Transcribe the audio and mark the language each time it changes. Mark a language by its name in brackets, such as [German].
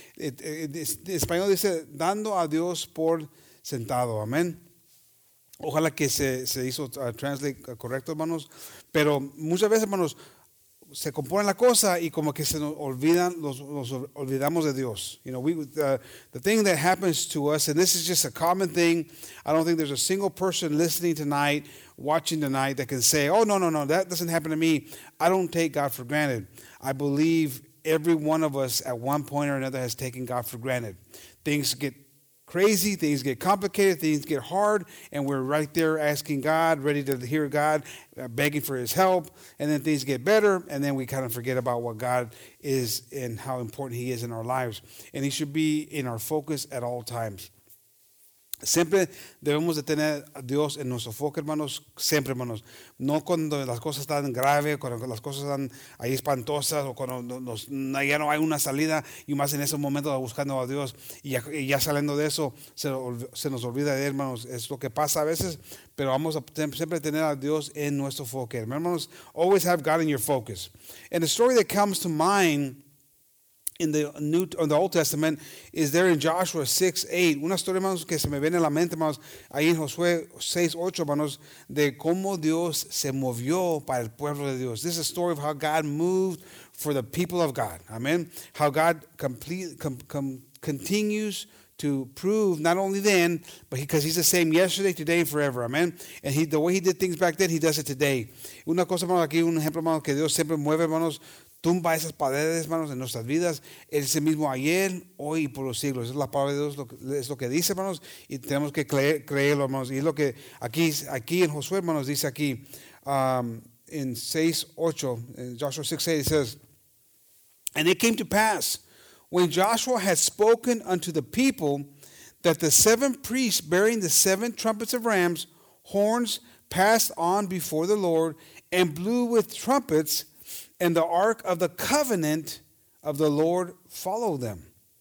[Spanish] En español dice, dando a Dios por sentado, amén. Ojalá que se hizo translate correcto, hermanos. Pero muchas veces, hermanos, se compone la cosa y como que se nos olvidan, nos olvidamos de Dios. [English] You know, the thing that happens to us, and this is just a common thing, I don't think there's a single person listening tonight, watching tonight, that can say, oh, no, that doesn't happen to me. I don't take God for granted. I believe every one of us at one point or another has taken God for granted. Things get crazy, things get complicated, things get hard, and we're right there asking God, ready to hear God, begging for his help, and then things get better, and then we kind of forget about what God is and how important he is in our lives, and he should be in our focus at all times. [Spanish] Siempre debemos de tener a Dios en nuestro foco, hermanos, siempre, hermanos. No cuando las cosas están graves, cuando las cosas están ahí espantosas, o cuando ya no hay una salida, y más en ese momento buscando a Dios. Y ya saliendo de eso, se nos olvida de él, hermanos. Es lo que pasa a veces, pero vamos a siempre tener a Dios en nuestro foco. [English] Hermanos, always have God in your focus. And the story that comes to mind in the Old Testament is there in Joshua 6:8. [Spanish] Una historia, hermanos, que se me viene a la mente, hermanos, ahí en Josué 6:8, hermanos, de cómo Dios se movió para el pueblo de Dios. [English] This is a story of how God moved for the people of God. Amen. How God continues to prove not only then, but because he's the same yesterday, today, and forever. Amen. And the way he did things back then, he does it today. [Spanish] Una cosa, hermanos, aquí un ejemplo, hermanos, que Dios siempre mueve, hermanos, tumba esas paredes, hermanos, en nuestras vidas. Es ese mismo ayer, hoy y por los siglos. Es la palabra de Dios, es lo que dice, hermanos, y tenemos que creerlo, hermanos. Y es lo que aquí en Josué, hermanos, dice aquí, en 6:8, en [English] Joshua 6:8, it says, "And it came to pass, when Joshua had spoken unto the people, that the seven priests bearing the seven trumpets of rams, horns, passed on before the Lord, and blew with trumpets, and the ark of the covenant of the Lord followed them.